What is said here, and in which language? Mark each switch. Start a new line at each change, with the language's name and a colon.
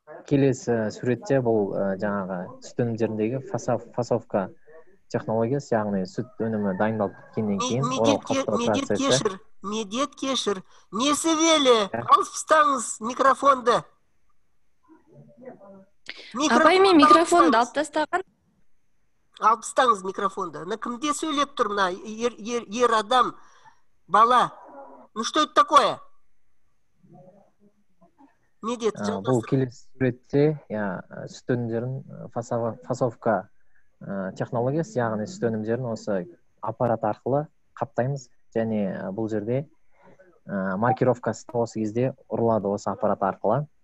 Kazakh: Келесі суретте бұл жаңағы сүт өнімдеріндегі фасовка технологиясы, яғни сүт өнімі дайындалып біткеннен кейін оралып қалыптау процесі. Медет кешір. Несібелі, алып тастаңыз микрофонды. Апай, мен микрофонды алып тастаған. Алып тастаңыз микрофонды. На кімде сөйлеп тұр мына ер адам, бала?
Russian: Ну что это такое?
Kazakh: Неге? Бұл келесі сүретте сүт өнімдерін фасовка технологиясы, яғни сүт өнімдерін осы аппарат арқылы қаптаймыз. Және бұл жерде маркировкасы осы кезде ұрылады осы аппарат арқылы.